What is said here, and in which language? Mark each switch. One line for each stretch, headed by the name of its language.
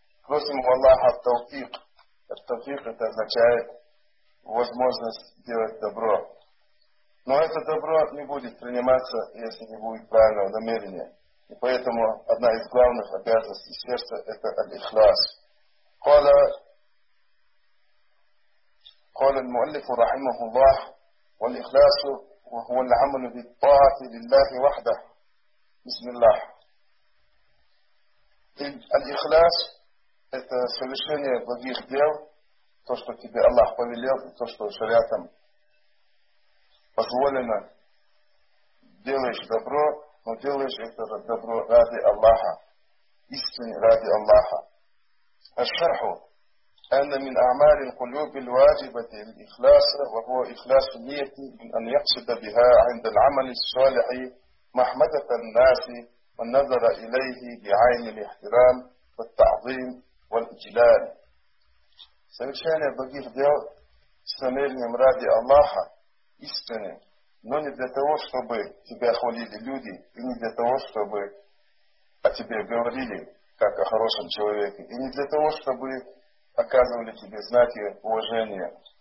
Russian: Просим у Аллаха тавфик. Тавфик это означает возможность делать добро. Но это добро не будет приниматься, если не будет правильного намерения. И поэтому одна из главных обязанностей сердца – это аль-ихлас.
Arabic: قال المؤلف رحمه الله والإخلاص وهو العمل بالطاعة لله وحده بسم الله الإخلاص
Russian: это совершение благих дел то что тебе Аллах повелел и то что шариатом позволено делаешь добро но делаешь это добро ради Аллаха
Arabic: искренне ради Аллаха الشرح أن من أعمال القلوب الواجبة الإخلاص وهو إخلاص النية من أن يقصد بها عند العمل الصالح محمدة الناس والنظر إليه بعين الاحترام والتعظيم والإجلال.
Russian: Совершение благих дел с намерением ради Аллаха истины, но не для того, чтобы тебя хвалили люди, и не для того, чтобы о тебе говорили, как о хорошем человеке, и не для того, чтобы оказывали тебе знаки уважения.